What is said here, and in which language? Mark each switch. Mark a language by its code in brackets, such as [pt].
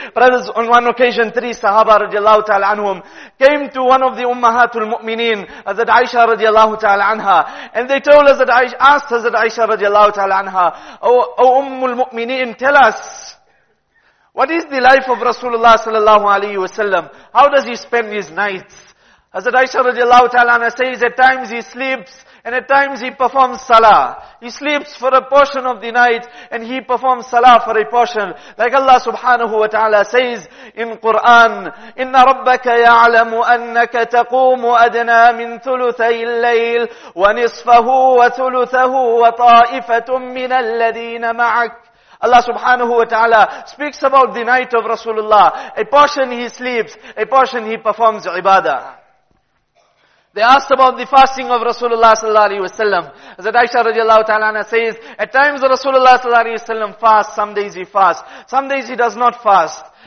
[en] Brothers, on one occasion, 3 sahaba radiallahu ta'ala anhum came to one of the ummahatul mu'mineen, Hazrat Aisha radiallahu ta'ala anha, and they told Hazrat Aisha, asked Hazrat Aisha radiallahu ta'ala anha, oh ummul mu'mineen, tell us, what is the life of Rasulullah sallallahu alayhi wa sallam? How does he spend his nights? Hazrat Aisha radiallahu ta'ala anha says, at times he sleeps and at times he performs salah. He sleeps for a portion of the night and he performs salah for a portion. Like Allah subhanahu wa ta'ala says in Quran, [ar] إِنَّ رَبَّكَ يَعْلَمُ أَنَّكَ تَقُومُ أَدْنَى مِن ثُلُثَي اللَّيْلِ وَنِصْفَهُ وَثُلُثَهُ وَطَائِفَةٌ مِّنَ الَّذِينَ مَعَكَ. [en] Allah subhanahu wa ta'ala speaks about the night of Rasulullah. A portion he sleeps, a portion he performs ibadah. They asked about the fasting of Rasulullah sallallahu alaihi wasallam. Hazrat Aisha radiallahu ta'ala says, at times Rasulullah sallallahu alaihi wasallam fasts, some days he fasts, some days he does not fast.